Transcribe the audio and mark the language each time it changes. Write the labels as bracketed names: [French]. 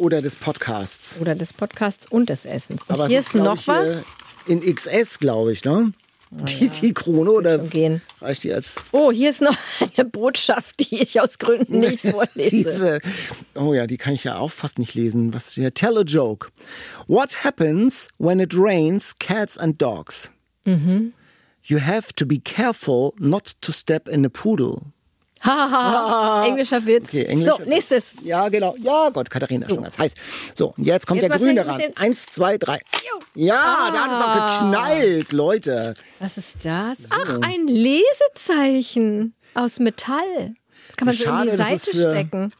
[German] Oder des Podcasts. Oder des Podcasts und des Essens. Und aber hier ist noch was. In XS, glaube ich, ne? Die Krone oder reicht die als... Oh, hier ist noch eine Botschaft, die ich aus Gründen nicht vorlese. Oh ja, die kann ich ja auch fast nicht lesen. Was ist hier? [English] Tell a joke. What happens when it rains cats and dogs? Mhm. You have to be careful not to step in a poodle. [German] Haha, englischer Witz. Okay, englischer so, nächstes. Ja, genau. Ja, Gott, Katharina, schon ganz heiß. So, und jetzt kommt jetzt der Grüne ran. 1, 2, 3. Ja, da hat es auch geknallt, Leute. Was ist das? So. Ach, ein Lesezeichen aus Metall. Das kann man schade, so in die Seite stecken.